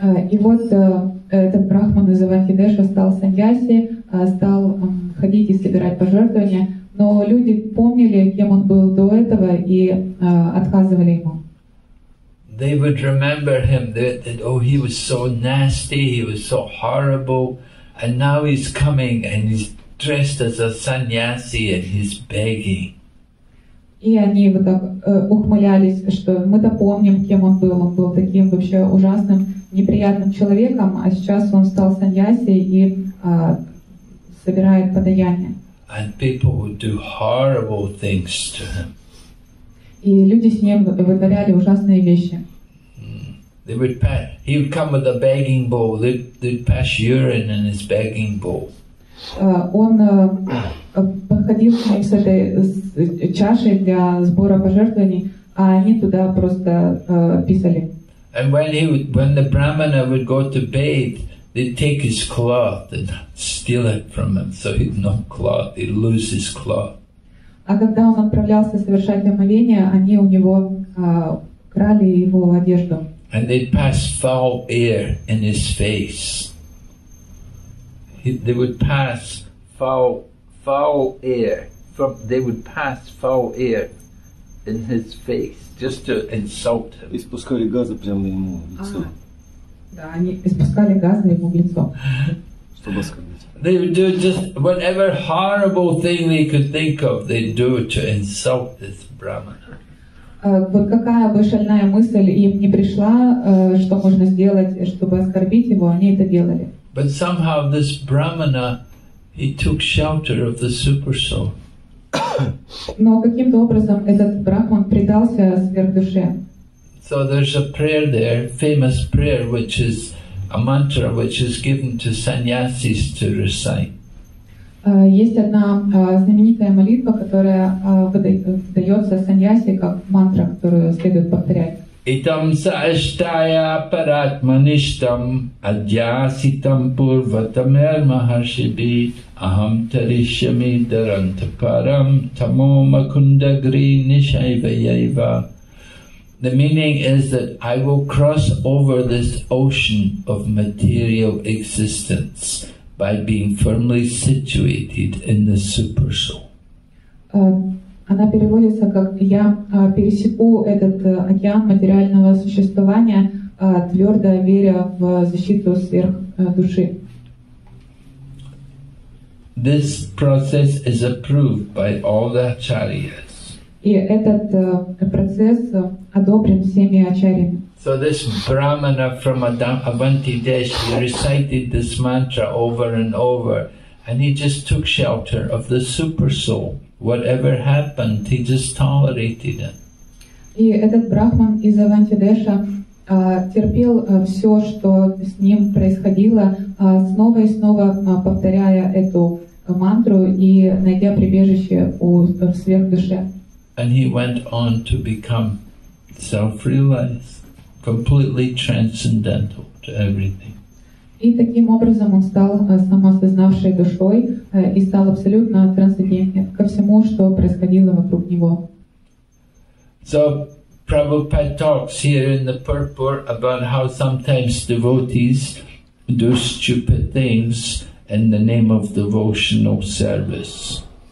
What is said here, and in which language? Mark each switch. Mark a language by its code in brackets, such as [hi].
[ru] И вот этот брахман из Авантидеша стал саньяси, стал ходить и собирать пожертвования. Но люди помнили, кем он был до этого, и отказывали ему. [en] They would remember him, that, oh, he was so nasty, he was so horrible, and now he's coming, and he's dressed as a sannyasi, and he's begging. [ru] И они вот так ухмылялись, что мы-то помним, кем он был таким вообще ужасным, неприятным человеком, а сейчас он стал саньяси и собирает подаяние. [en] And people would do horrible things to him. [ru] И люди с ним вытворяли ужасные вещи. [en] They would pass. He would come with a begging bowl. They'd pass urine in his begging bowl. [ru] Он подходил к ним с этой чашей для сбора пожертвований, а они туда просто писали. [en] And when the brahmana would go to bathe, they'd take his cloth and steal it from him, so he'd no cloth, he'd lose his cloth. [ru] А когда он отправлялся совершать омовение, они у него крали его одежду. [en] And they'd pass foul air in his face. They would pass foul air from. They would pass foul air in his face, just to insult him. [ru] Испускали газы прямо ему в лицо. Да, они испускали газы ему в лицо. Чтобы оскорбить. [en] They would do just whatever horrible thing they could think of, they'd do to insult this Brahmana. [ru] Вот какая бы шальная мысль им не пришла, что можно сделать, чтобы оскорбить его, они это делали. [en] But somehow this Brahmana, he took shelter of the super soul. [ru] Но каким-то образом этот Брахман предался сверхдуше. [en] So there's a prayer there, famous prayer, which is a mantra which is given to sannyasis to recite. [ru] Есть одна знаменитая молитва, которая выдается саньяси как мантра, которую следует повторять. [sa] Итам саштая паратмаништам адьяситам пурватамер махаршиби ахам таришьями дарантапарам тамо макундагри нишайва яйва. [en] The meaning is that I will cross over this ocean of material existence by being firmly situated in the super soul. [ru] Она переводится как я пересеку этот океан материального существования, твёрдо веря в защиту сверх души. [en] This process is approved by all the acharyas. [ru] И этот процесс одобрен всеми ачарьями. [en] So this Brahmana from Avanti Desh, he recited this mantra over and over, and he just took shelter of the super soul. Whatever happened, he just tolerated it. [ru] И этот Брахман из Аванти Деша терпел все, что с ним происходило, снова и снова повторяя эту мантру и найдя прибежище у сверхдуши. [en] And he went on to become self-realized. Completely transcendental to everything. [ru] И таким образом он стал самосознавшей душой и стал абсолютно трансцендентным ко всему, что происходило вокруг него. [en] So Prabhupada talks here in the purport about how sometimes devotees do stupid things in the name of devotional service.